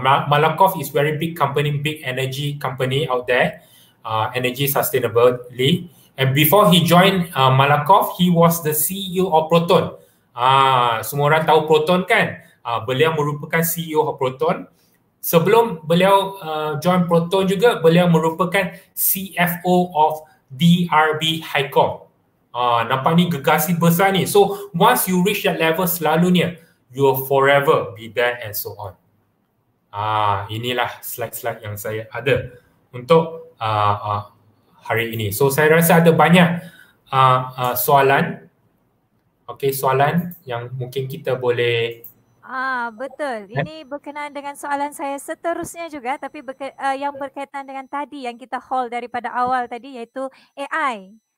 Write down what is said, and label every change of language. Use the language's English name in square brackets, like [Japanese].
[English] Malakoff is very big company, big energy company out there, energy sustainably. And before he join Malakoff, he was the CEO of Proton. [Malay] Semua orang tahu Proton kan? Beliau merupakan CEO of Proton. Sebelum beliau join Proton juga, beliau merupakan CFO of DRB Highcom. Nampak ni gegasi besar ni. [English] So once you reach that level, [Malay] selalunya [English] you will forever be there and so on. [Malay] Inilah slide-slide yang saya ada untuk hari ini. So saya rasa ada banyak soalan. Okay, soalan yang mungkin kita boleh... Betul. Ini berkenaan dengan soalan saya seterusnya juga, tapi yang berkaitan dengan tadi yang kita hold daripada awal tadi, iaitu AI.